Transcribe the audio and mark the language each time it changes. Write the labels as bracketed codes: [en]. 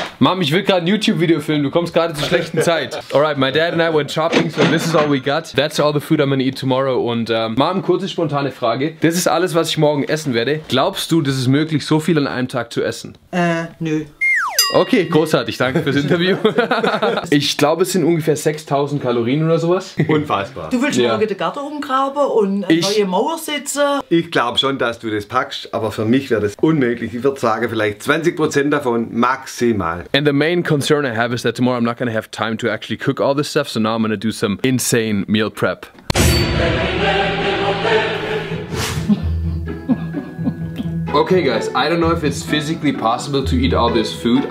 [de] Mom, ich will gerade ein YouTube-Video filmen, du kommst gerade zur schlechten Zeit. [en] Alright, my dad and I went shopping, so this is all we got. That's all the food I'm gonna eat tomorrow. [de] Und Mom, kurze spontane Frage. Das ist alles, was ich morgen essen werde. Glaubst du, das ist möglich, so viel an einem Tag zu essen? Nö. Okay, großartig, danke fürs Interview. Ich glaube, es sind ungefähr 6000 Kalorien oder sowas. Unfassbar. Du willst morgen den Garten umgraben und eine neue Mauer setzen? Ich glaube schon, dass du das packst, aber für mich wäre das unmöglich. Ich würde sagen, vielleicht 20% davon maximal. [en] And the main concern I have is that tomorrow I'm not gonna have time to actually cook all this stuff, so now I'm gonna do some insane meal prep. Okay guys, I don't know if it's physically possible to eat all this food.